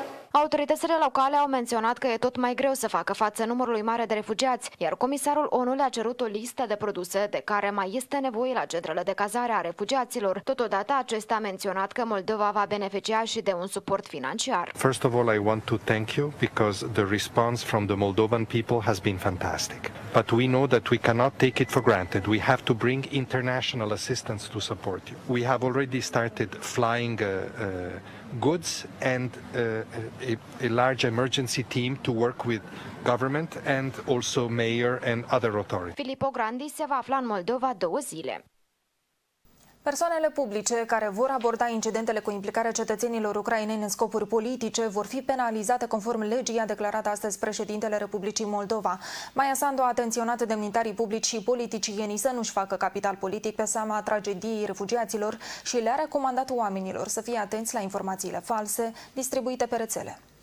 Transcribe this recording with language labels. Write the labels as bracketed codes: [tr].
[ro] Autoritățile locale au menționat că e tot mai greu să facă față numărului mare de refugiați, iar comisarul ONU le-a cerut o listă de produse de care mai este nevoie la centrele de cazare a refugiaților. Totodată, acesta a menționat că Moldova va beneficia și de un suport financiar. [en] First of all, I want to thank you because the response from the Moldovan people has been fantastic. But we know that we cannot take it for granted. We have to bring international assistance to support you. We have already started flying goods and a large emergency team to work with government and also mayor and other authorities. [ro] Filippo Grandi se va afla în Moldova două zile. Persoanele publice care vor aborda incidentele cu implicarea cetățenilor ucraineni în scopuri politice vor fi penalizate conform legii, a declarat astăzi președintele Republicii Moldova. Maia Sandu a atenționat demnitarii publici și politicienii să nu-și facă capital politic pe seama tragediei refugiaților și le-a recomandat oamenilor să fie atenți la informațiile false distribuite pe rețele.